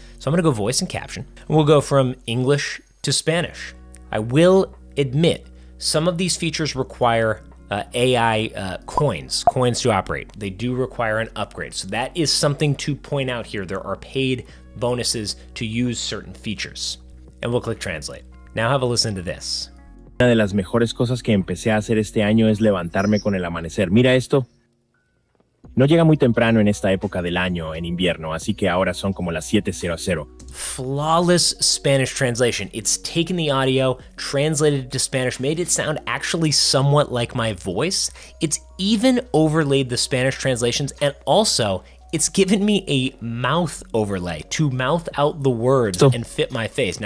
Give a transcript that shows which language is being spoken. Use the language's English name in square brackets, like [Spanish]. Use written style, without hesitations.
[English] So I'm gonna go voice and caption. And we'll go from English to Spanish. I will admit, some of these features require AI coins to operate. They do require an upgrade. So that is something to point out here. There are paid bonuses to use certain features. And we'll click translate. Now have a listen to this. [Spanish] Una de las mejores cosas que empecé a hacer este año es levantarme con el amanecer. Mira esto. No llega muy temprano en esta época del año, en invierno, así que ahora son como las 7:00. [English] Flawless Spanish translation. It's taken the audio, translated it to Spanish, made it sound actually somewhat like my voice. It's even overlaid the Spanish translations, and also it's given me a mouth overlay to mouth out the words and fit my face.